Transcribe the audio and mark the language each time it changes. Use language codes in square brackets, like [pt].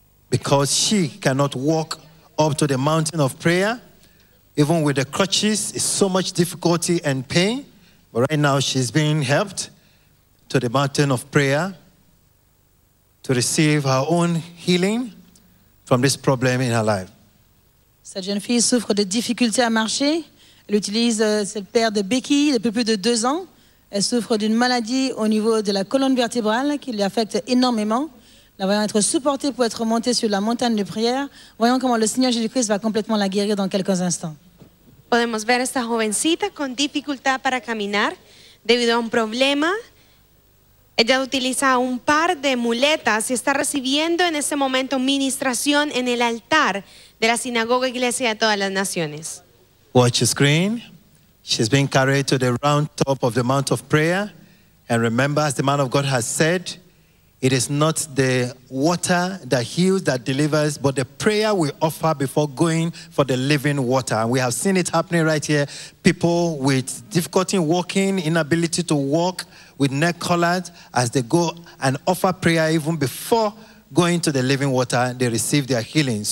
[en] Because she cannot walk up to the mountain of prayer, even with the crutches, it's so much difficulty and pain. But right now, she's being helped to the mountain of prayer to receive her own healing from this problem in her life. [fr] Cette jeune fille souffre de difficultés à marcher. Elle utilise cette paire de béquilles depuis plus de 2 ans. Elle souffre d'une maladie au niveau de la colonne vertébrale qui lui affecte énormément. La voyant être supportée pour être montée sur la montagne de prière, voyons comment le Seigneur Jésus-Christ va complètement la guérir dans quelques instants. [es] Podemos ver esta jovencita con dificultad para caminar debido a un problema. Ella utiliza un par de muletas y está recibiendo en ese momento ministración en el altar de la sinagoga iglesia de todas las naciones. [en] Watch your screen. She's being carried to the round top of the Mount of Prayer. And remember, as the man of God has said, it is not the water that heals, that delivers, but the prayer we offer before going for the living water. And we have seen it happening right here. People with difficulty walking, inability to walk, with neck collars, as they go and offer prayer even before going to the living water, they receive their healing.